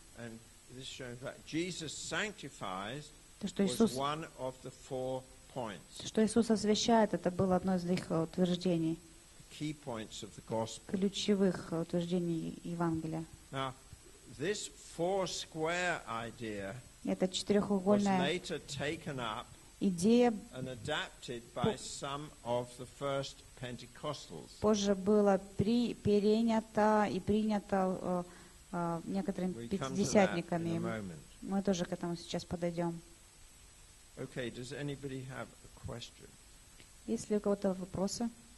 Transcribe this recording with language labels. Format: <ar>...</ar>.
<en>And this shows that Jesus sanctifies was one of the four points.</en> <ru>Что Иисус освящает, это было одно из их утверждений.</ru> <en>The key points of the gospel.</en> <ru>Ключевых утверждений Евангелия.</ru> <en>Now, this four-square idea was later taken up and adapted by some of the first Pentecostals.</en> <ru>Позже было перенято и принято некоторыми пятидесятниками. Мы тоже к этому сейчас подойдем.</ru> <en>Okay, does anybody have a question?</en> <ru>Есть ли у кого-то вопросы?</ru>